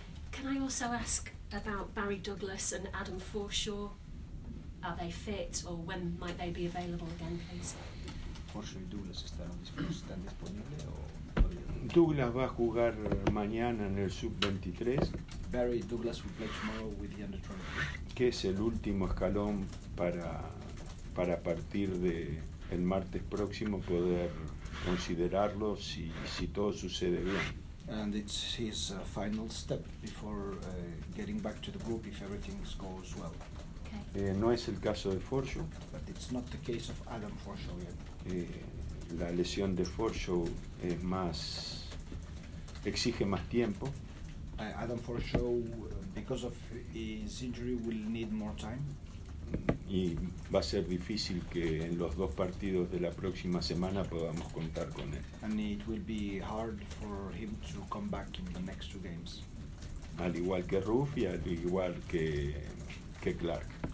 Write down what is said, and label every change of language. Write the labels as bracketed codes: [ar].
[en] Can I also ask about Barry Douglas and Adam Forshaw? Are they fit or when might they be available again, please? [es] Forshaw y Douglas están disponibles o... Douglas va a jugar mañana en el sub-23. [en] Barry Douglas will play tomorrow with the under 23. [es] Que es el último escalón para a partir de el martes próximo poder considerarlo si todo sucede bien. [en] And it's his final step before getting back to the group if everything goes well. Okay. [es] No es el caso de Forshaw. [en] But it's not the case of Adam Forshaw yet. [es] La lesión de Forshaw es más exige más tiempo. [en] Adam Forshaw, because of his injury, will need more time. [es] y va a ser difícil que en los dos partidos de la próxima semana podamos contar con él. [en] And it will be hard for him to come back in the next two games. [es] Al igual que Ruff y al igual que Clark.